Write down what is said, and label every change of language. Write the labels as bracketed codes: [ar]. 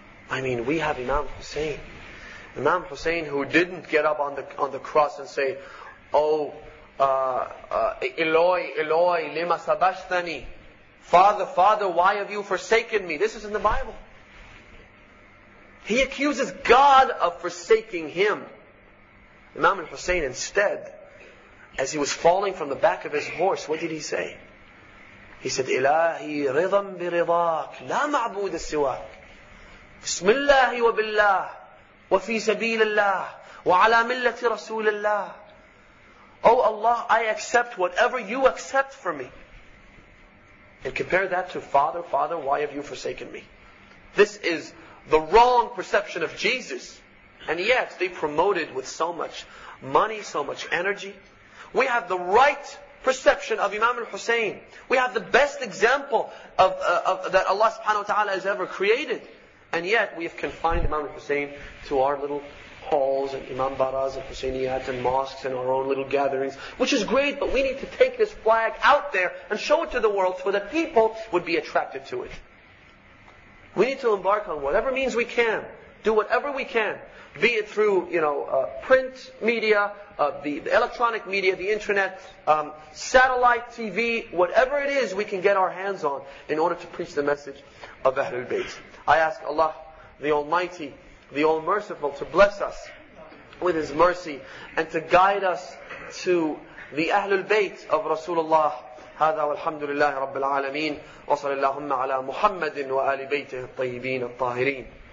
[en] I mean, we have Imam Hussein. Imam Hussein, who didn't get up on the cross and say, Oh, [arc] Eloi, Eloi, lima sabachthani. [en] Father, Father, why have you forsaken me? This is in the Bible. He accuses God of forsaking him. Imam Hussein, instead, as he was falling from the back of his horse, what did he say? [ar] He said, إِلَهِ رِضًا بِرِضَاكِ لَا مَعْبُودَ سِوَاكِ بِسْمِ اللَّهِ وَبِاللَّهِ وَفِي سَبِيلِ اللَّهِ وَعَلَى مِلَّةِ رَسُولِ اللَّهِ [en] Oh Allah, I accept whatever you accept for me. And compare that to Father, Father, why have you forsaken me? This is the wrong perception of Jesus. And yet, they promoted with so much money, so much energy. We have the right perception of Imam al-Hussein. We have the best example of that Allah subhanahu wa ta'ala has ever created. And yet we have confined Imam al-Hussein to our little halls and Imam Baraz and Husseiniyat and mosques and our own little gatherings, which is great, but we need to take this flag out there and show it to the world so that people would be attracted to it. We need to embark on whatever means we can. Do whatever we can, be it through print media, the electronic media, the internet, satellite TV, whatever it is we can get our hands on in order to preach the message of Ahlul Bayt. I ask Allah, the Almighty, the All-Merciful, to bless us with His mercy and to guide us to the Ahlul Bayt of Rasulullah. [ar] هذا والحمد لله رب العالمين وصلى اللهم على محمد وآل بيته الطيبين الطاهرين.